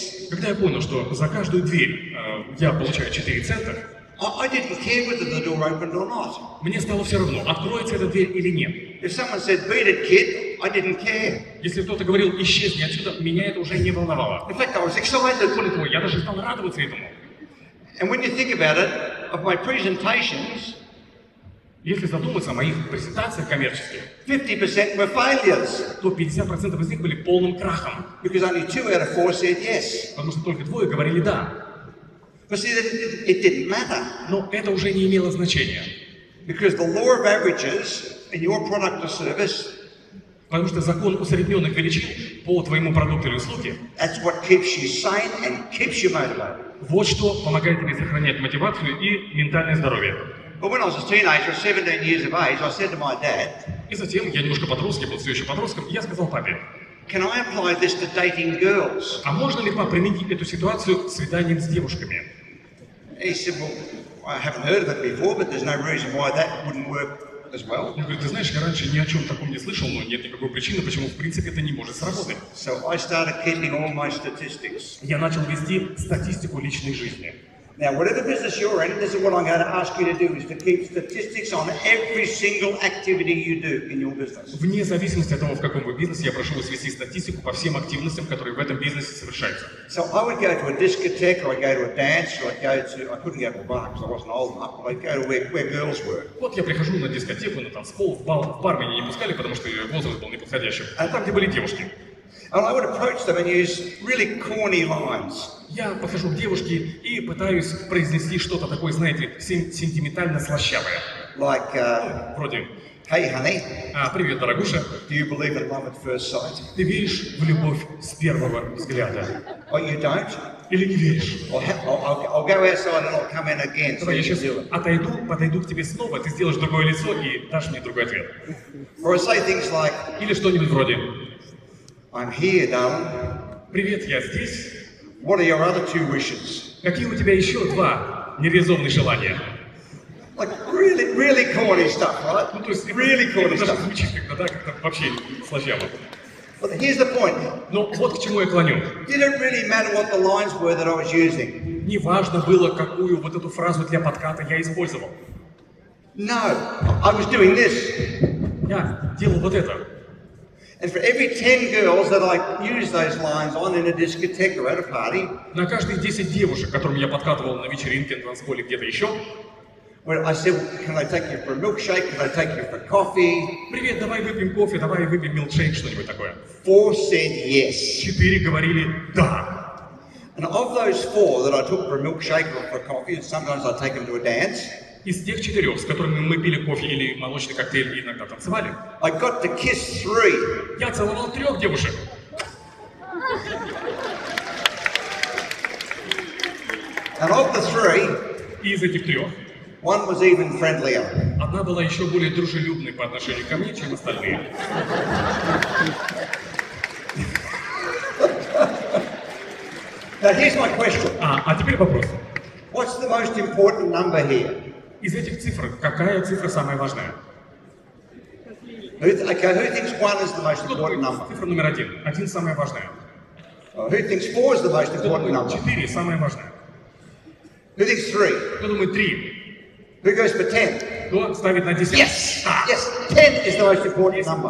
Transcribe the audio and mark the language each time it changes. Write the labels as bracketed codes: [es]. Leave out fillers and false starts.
[ru] Когда я понял, что за каждую дверь я получаю 4 цента, [en] I didn't care whether the door opened or not. [ru] Мне стало все равно, откроется эта дверь или нет. [en] If someone said, "Beat it, kid," I didn't care. [ru] Если кто-то говорил, исчезни отсюда, меня это уже не волновало. [en] In fact, I was excited. [ru] Более того, я даже стал радоваться этому. [en] And when you think about it, of my presentations, [ru] если задуматься о моих презентациях коммерческих, [en] 50% were failures. [ru] То 50% из них были полным крахом. [en] Because only 2 out of 4 said yes. [ru] Потому что только двое говорили да. [en] But see, it didn't matter. [ru] Но это уже не имело значения. [en] Because the law of averages in your product or service. [ru] Потому что закон усредненных величин по твоему продукту или услуге. [en] That's what keeps you sane and keeps you motivated. [ru] Вот что помогает тебе сохранять мотивацию и ментальное здоровье. [en] But when I was a teenager, 17 years of age, I said to my dad. [ru] И затем я немножко подросток, был все еще подростком, и я сказал папе. [en] Can I apply this to dating girls? [ru] А можно ли применить эту ситуацию к свиданиям с девушками? [en] He said, well, I haven't heard of it before, but there's no reason why that wouldn't work as well. [ru] Он говорит, ты знаешь, я раньше ни о чем таком не слышал, но нет никакой причины, почему в принципе это не может сработать. [en] So I started keeping all my statistics. [ru] Я начал вести статистику личной жизни. [en] Now, whatever business you're in, this is what I'm going to ask you to do, is to keep statistics on every single activity you do in your business. [ru] Вне зависимости от того, в каком вы бизнесе, я прошу вас вести статистику по всем активностям, которые в этом бизнесе совершаются. [en] So I would go to a discotheque, or I'd go to a dance, or I couldn't go to a bar because I wasn't old enough, but I'd go to where girls were. [ru] Вот я прихожу на дискотеку, на танцпол, в бар меня не пускали, потому что возраст был неподходящим. А там, где были девушки. [en] And I would approach them and use really corny lines. [ru] Я подхожу к девушке и пытаюсь произнести что-то такое, знаете, сентиментально слащавое. [en] Like, [ru] вроде, [en] hey, honey. [ru] Привет, дорогуша. [en] Do you believe in love at first sight? [ru] Ты веришь в любовь с первого взгляда? [en] Or you don't? [ru] Или не веришь? [en] I'll go outside and I'll come in again. [ru] Давай, я сейчас подойду к тебе снова, ты сделаешь другое лицо и дашь мне другой ответ. [en] Or say things like, [ru] или что-нибудь вроде, [en] I'm here, darling. [ru] Привет, я здесь. [en] What are your other two wishes? [ru] Какие у тебя еще два нереализованных желания? [en] Like really, really corny stuff, right? [ru] Ну, то есть, [en] really corny [ru] это [en] stuff. [ru] Звучит как-то, да, как-то вообще сложно. [en] But here's the point. [ru] Но вот к чему я клоню. [en] Didn't really matter what the lines were that I was using. [ru] Не важно было, какую вот эту фразу для подката я использовал. [en] No, I was doing this. [ru] Я делал вот это. [en] And for every 10 girls that I use those lines on in a discotheque or at a party, [ru] на каждые 10 девушек, которым я подкатывал на вечеринке, на танцполе, где-то еще, [en] where I said, well, can I take you for a milkshake? Can I take you for coffee? [ru] Привет, давай выпьем кофе, давай выпьем милкшейк, что-нибудь такое. [en] 4 said yes. [ru] 4 говорили да. [en] And of those 4 that I took for a milkshake or for coffee, and sometimes I take them to a dance. [ru] Из тех 4, с которыми мы пили кофе или молочный коктейль и иногда танцевали, [en] I got to kiss 3. [ru] Я целовал 3 девушек. [en] And of the 3, [ru] из этих 3, [en] one was even friendlier. [ru] Одна была еще более дружелюбной по отношению ко мне, чем остальные. [en] Now here's my question. [ru] А теперь вопрос. [en] What's the most important number here? [ru] Из этих цифр, какая цифра самая важная? [en] Okay, who thinks one is the most important number? [ru] Цифра номер 1. 1 самая важная. [en] Who thinks 4 is the most important number? [ru] 4 самая важная. [en] Who thinks 3? [ru] Кто думает 3? [en] Who goes for 10? [ru] Кто ставит на 10? [en] Yes! Yes, 10 is the most important number.